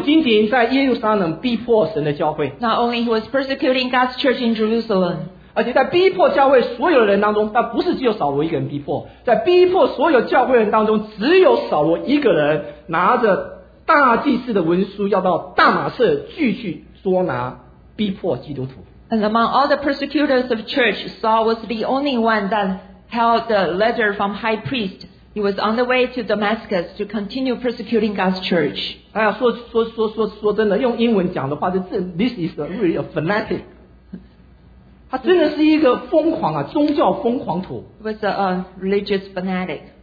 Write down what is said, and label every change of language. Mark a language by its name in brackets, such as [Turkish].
[Chinese] 扫罗仍然向主的门徒口吐威吓凶杀的话，去见大祭司，求文书给大马色的各会堂。若是找着信奉这道的人，无论男女，都准他捆绑带到耶路撒冷。他不仅仅在耶路撒冷逼迫神的教会。Not [English] only he was persecuting God's church in Jerusalem. [Chinese] 而且在逼迫教会所有人当中，但不是只有扫罗一个人逼迫，在逼迫所有教会人当中，只有扫罗一个人拿着大祭司的文书，要到大马士继续捉拿逼迫基督徒。And [English] among all the persecutors of church, Saul was the only one that held the letter from high priest. He was on the way to Damascus to continue persecuting God's church. [Chinese] 哎呀，说真的，用英文讲的话，这 [English] this is a really a fanatic. [Chinese] 他真的是一个疯狂啊，宗教疯狂徒。 [English] Was a religious fanatic.